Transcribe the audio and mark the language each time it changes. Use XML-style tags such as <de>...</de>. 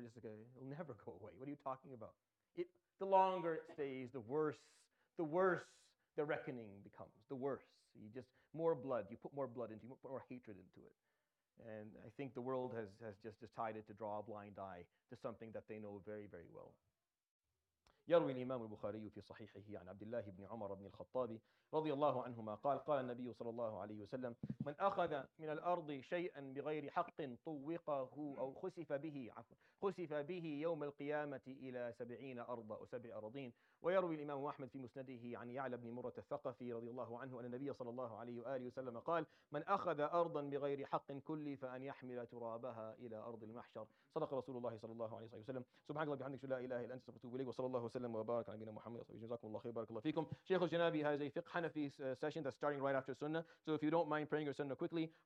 <en>Just like, it'll never go away. What are you talking about? The longer it stays, the worse the worse the reckoning becomes, the worse. You just more blood, you put more blood into it, you put more hatred into it. And I think the world has just decided to draw a blind eye to something that they know very, very well.</en> <ar>يروي الإمام البخاري في صحيحه عن عبد الله بن عمر بن الخطاب رضي الله عنهما قال قال النبي صلى الله عليه وسلم من أخذ من الأرض شيئا بغير حق طوقه أو خسف به يوم القيامة إلى 70 أرضا أو 7 أراضين. ويروي الإمام أحمد في مسنده عن يعلى بن مرة الثقفي رضي الله عنه أن النبي صلى الله عليه وآله وسلم قال من أخذ أرضا بغير حق كلف أن يحمل ترابها إلى أرض المحشر. صدق رسول الله صلى الله عليه وسلم. سبحانك اللهم وبحمدك لا إله إلا أنت استغفرك وأتوب إليك. وصلى الله وسلم وبارك على نبينا محمد صلى الله عليه وسلم. جزاكم الله خير بارك الله فيكم. شيخ الجنابي هذا فقه حنفي</ar> <en>session that's starting right after sunnah. So if you don't mind praying your sunnah quickly.</en>